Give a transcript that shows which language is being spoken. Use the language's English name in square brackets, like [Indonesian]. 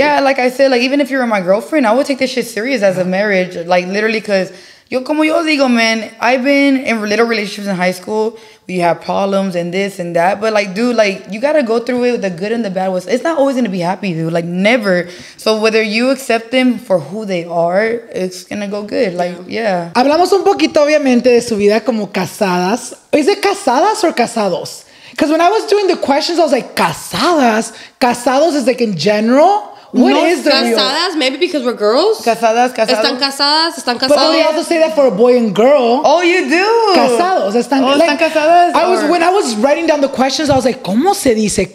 [English] Yeah, like I said, like, even if you were my girlfriend, I would take this shit serious as a marriage. Like, literally, because... [Spanish] Yo, como yo digo, [English] man, I've been in little relationships in high school. We have problems and this and that. But, like, dude, like, you got to go through it with the good and the bad. It's not always going to be happy, dude. Like, never. So, whether you accept them for who they are, it's going to go good. Like, [Spanish] Hablamos un poquito, obviamente, de su vida como casadas. [English] Is it casadas or casados? Because when I was doing the questions, I was like, casadas? Casados is, like, in general... What no, is the casadas, real? Maybe because we're girls. [Spanish] Casadas, casadas. Están casadas, están casadas. [English] But they also say that for a boy and girl. Oh, you do. [Spanish] Casados, están, oh, like, están casadas. [English] I was, when I was writing down the questions, I was like, [Spanish] ¿cómo se dice?